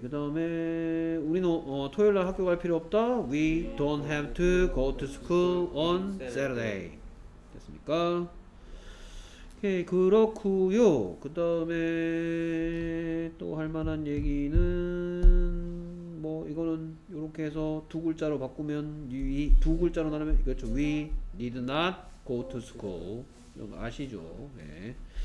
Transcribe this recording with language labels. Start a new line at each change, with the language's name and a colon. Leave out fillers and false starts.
Korean: 그 다음에 우리는 토요일날 학교 갈 필요 없다.
English: We don't have to go to school on Saturday.
Korean: 됐습니까? 오케이. 그렇구요. 그 다음에 또 할 만한 얘기는 뭐 이거는 이렇게 해서 두 글자로 바꾸면 이 두 글자로 나누면 그렇죠.
English: We need not go to school.
Korean: 이거 아시죠? 네.